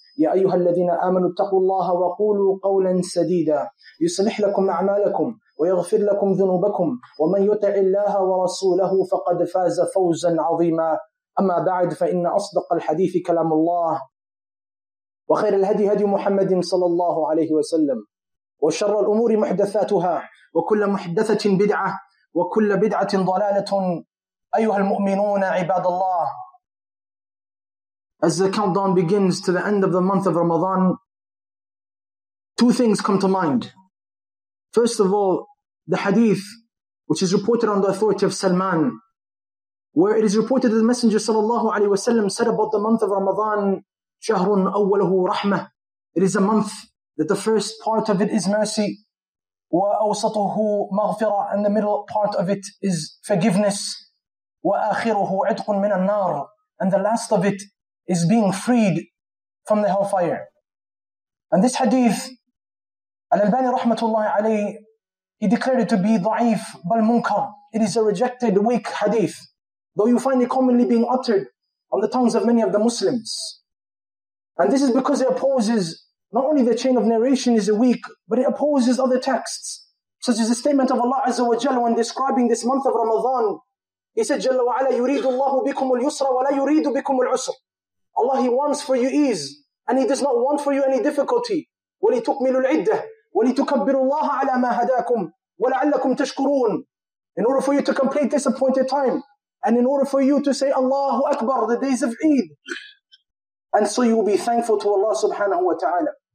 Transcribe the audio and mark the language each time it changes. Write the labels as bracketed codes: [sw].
[ar] يا أيها الذين آمنوا اتقوا الله وقولوا قولا سديدا يصلح لكم أعمالكم ويغفر لكم ذنوبكم، ومن يطع الله ورسوله فقد فاز فوزا عظيما. أما بعد، فإن أصدق الحديث كلام الله، وخير الهدي هدي محمد صلى الله عليه وسلم، وشر الأمور محدثاتها، وكل محدثة بدعة، وكل بدعة ضلالة. أيها المؤمنون عباد الله، [en] As the countdown begins to the end of the month of Ramadan, two things come to mind. First of all, the hadith, which is reported on the authority of Salman, where it is reported that the Messenger sallallahu alaihi wasallam said about the month of Ramadan, [ar] شَهْرٌ أَوَّلَهُ رَحْمَةٌ. [en] It is a month that the first part of it is mercy, [ar] وَأَوْسَطُهُ مَغْفِرَةٌ, [en] and the middle part of it is forgiveness, [ar] وَآخِرُهُ عِتْقٌ مِنَ النَّارِ, [en] and the last of it is being freed from the hellfire. And this hadith, Al-Albani rahmatullahi alayhi, he declared it to be [ar] ضعيف بل منكر. [en] It is a rejected, weak hadith, though you find it commonly being uttered on the tongues of many of the Muslims. And this is because it opposes, not only the chain of narration is weak, but it opposes other texts, such as the statement of Allah Azza wa Jalla when describing this month of Ramadan. He said, [ar] جَلَّ وَعَلَى يُرِيدُ اللَّهُ بِكُمُ الْيُسْرَ وَلَا يُرِيدُ بِكُمُ الْعُسْرَ. [en] Allah, He wants for you ease, and He does not want for you any difficulty. [ar] وَلِتُكْمِلُوا الْعِدَّةِ وَلِتُكَبِّرُوا اللَّهَ عَلَى مَا هَدَاكُمْ وَلَعَلَّكُمْ تَشْكُرُونَ. [en] In order for you to complete this appointed time, and in order for you to say Allahu Akbar, the days of Eid, and so you will be thankful to Allah subhanahu wa ta'ala.